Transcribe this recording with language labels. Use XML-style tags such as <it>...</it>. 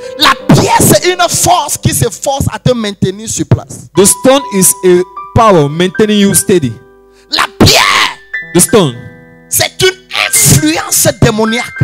<fr>La pierre c'est une force qui se force à te maintenir sur place.</fr> <en>The stone is a power maintaining you steady.</en> <fr>La pierre.</fr> <en>The stone.</en> <fr>C'est une influence démoniaque.</fr>